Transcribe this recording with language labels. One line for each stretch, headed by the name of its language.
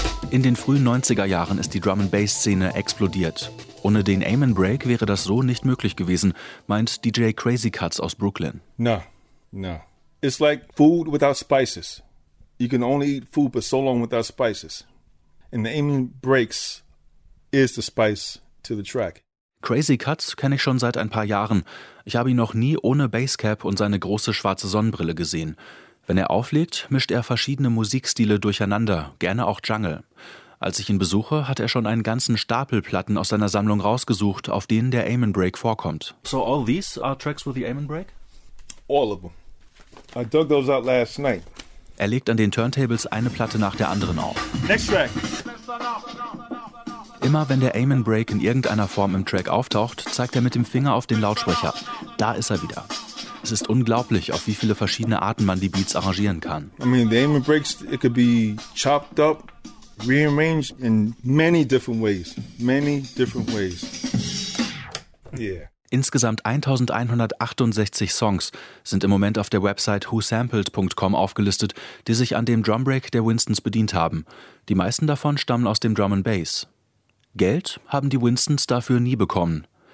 German: In den frühen 90er Jahren ist die Drum-and-Bass-Szene explodiert. Ohne den Amen Break wäre das so nicht möglich gewesen, meint DJ Crazy Cuts aus Brooklyn.
English: No. It's like food without spices. You can only eat food but so long without spices. And the Amen Breaks is the spice to the track.
German: Crazy Cuts kenne ich schon seit ein paar Jahren. Ich habe ihn noch nie ohne Basscap und seine große schwarze Sonnenbrille gesehen. Wenn er auflegt, mischt er verschiedene Musikstile durcheinander, gerne auch Jungle. Als ich ihn besuche, hat er schon einen ganzen Stapel Platten aus seiner Sammlung rausgesucht, auf denen der Amen Break vorkommt.
English: So all these are tracks with the Amen Break? All of them. I dug those out last night.
German: Er legt an den Turntables eine Platte nach der anderen auf.
English: Next track.
German: Immer wenn der Amen Break in irgendeiner Form im Track auftaucht, zeigt er mit dem Finger auf den Lautsprecher. Da ist er wieder. Es ist unglaublich, auf wie viele verschiedene Arten man die Beats arrangieren kann.
English: I mean, the Amen Breaks, it could be chopped up, rearranged in many different ways. Many different ways. Yeah.
German: Insgesamt 1168 Songs sind im Moment auf der Website whosampled.com aufgelistet, die sich an dem Drumbreak der Winstons bedient haben. Die meisten davon stammen aus dem Drum and Bass. Geld haben die Winstons dafür nie bekommen.